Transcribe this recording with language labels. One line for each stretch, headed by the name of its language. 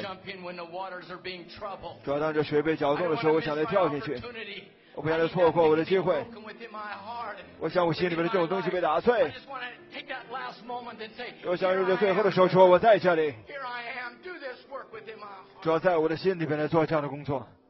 English: I want to jump in when the waters are being troubled.
Chinese: 主啊，当这水被搅动的时候，我想再跳进去。我不想再错过我的机会。我想我心里面的这种东西被打碎。
English: I just want to take that last moment and say,
Chinese: 我想用这最后的手说，我在这里。
English: Here I am, do this work within my heart.
Chinese: 主啊，在我的心里面来做这样的工作。